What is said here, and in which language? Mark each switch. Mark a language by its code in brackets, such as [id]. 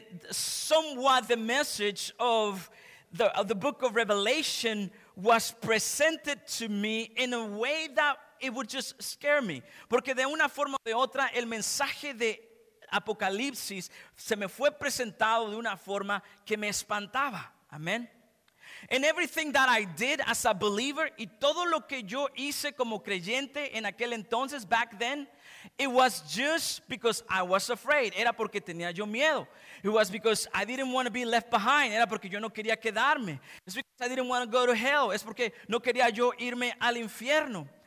[en] Somewhat the message of the book of Revelation was presented to me in a way that it would just scare me. [es] Porque de una forma o de otra, el mensaje de Apocalipsis se me fue presentado de una forma que me espantaba. [en] Amen. And everything that I did as a believer, [es] y todo lo que yo hice como creyente en aquel entonces, [en] back then, it was just because I was afraid. [es] Era porque tenía yo miedo. [en] It was because I didn't want to be left behind. [es] Era porque yo no quería quedarme. [en] It's because I didn't want to go to hell. [es] Es porque no quería yo irme al infierno.